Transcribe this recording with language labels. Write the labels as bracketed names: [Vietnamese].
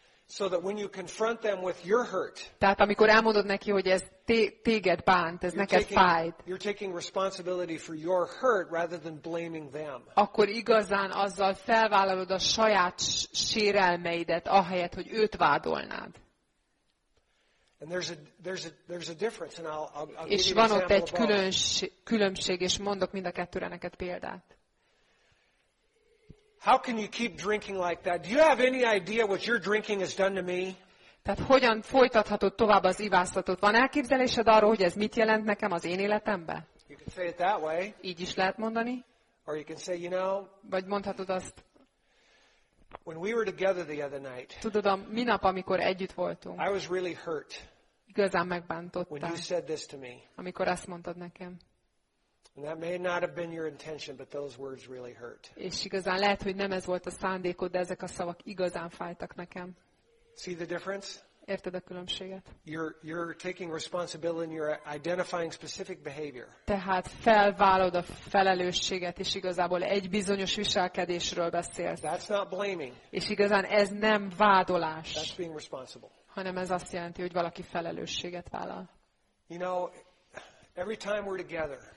[English] So that when you confront them with your hurt. [Hungarian] Tehát amikor elmondod neki, hogy ez téged bánt, ez neked fájt. [English] You're taking responsibility for your hurt rather than blaming them. [Hungarian] Akkor igazán azzal felvállalod a saját sérelmeidet, ahelyett, hogy őt vádolnád. [English] And there's a difference, and I'll [Hungarian] és van ott egy különbség, és mondok mind a kettőre neked példát. [English] How can you keep drinking like that? Do you have any idea what your drinking has done to me? [Hungarian] Tehát hogyan folytathatod tovább az ivászatot? Van elképzelésed arról, hogy ez mit jelent nekem az én életemben? [English] You can say it that way. [Hungarian] Így is lehet mondani. [English] Or you can say, you know. [Hungarian] Vagy mondhatod azt. [English] When we were together the other night. [Hungarian] Tudod, a minap, amikor együtt voltunk. [English] I was really hurt. [Hungarian] Igazán megbántottál. [English] When you said this to me. [Hungarian] Amikor azt mondtad nekem. [English] And that may not have been your intention, but those words really hurt. [Hungarian] És igazán lehet, hogy nem ez volt a szándékod, de ezek a szavak igazán fájtak nekem. [English] See the difference? [Hungarian] Érted a különbséget? [English] You're taking responsibility and you're identifying specific behavior. [Hungarian] Tehát felvállod a felelősséget, és igazából egy bizonyos viselkedésről beszélsz. [English] That's not blaming. [Hungarian] És igazán ez nem vádolás. [English] That's being responsible. [Hungarian] Hanem ez azt jelenti, hogy valaki felelősséget vállal. [English] You know, every time we're together.